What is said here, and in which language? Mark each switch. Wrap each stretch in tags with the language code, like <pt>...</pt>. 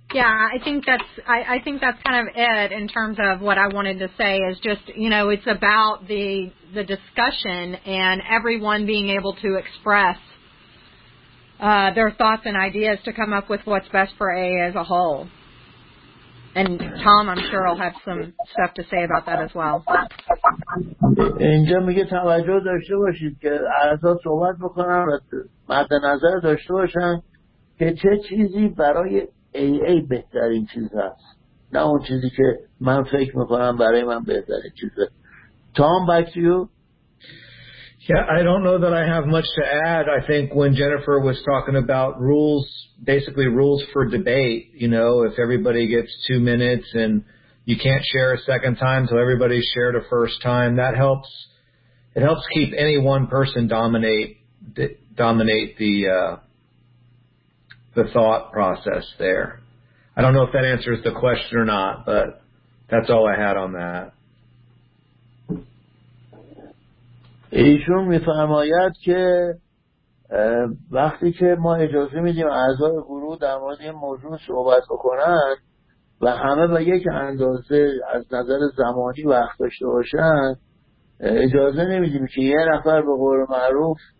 <en>Yeah, I think that's kind of it in terms of what I wanted to say is just, you know, it's about the discussion and everyone being able to express their thoughts and ideas to come up with what's best for AA as a whole. And Tom, I'm sure, will have some stuff to say about that as well.</en> <fa>اینجا میگه توجه داشته باشید که اعضا صحبت بکنن و مد نظر داشته باشن که چه چیزی برای AA بهترین چیز هست، نه اون چیزی که من فکر میکنم برای من بهترین چیزه.</fa> <en>Tom, back to you. Yeah, I don't know that I have much to add. I think when Jennifer was talking about rules, basically rules for debate, you know, if everybody gets 2 minutes and you can't share a second time till everybody's shared a first time, that helps. It helps keep any one person dominate the thought process there. I don't know if that answers the question or not, but that's all I had on that.</en> <fa>ایشون میفرماید که وقتی که ما اجازه میدیم اعضای گروه در مورد یه موضوع صحبت بکنن و همه به یک اندازه از نظر زمانی وقت داشته باشن، اجازه نمیدیم که یه نفر به قول معروف</fa>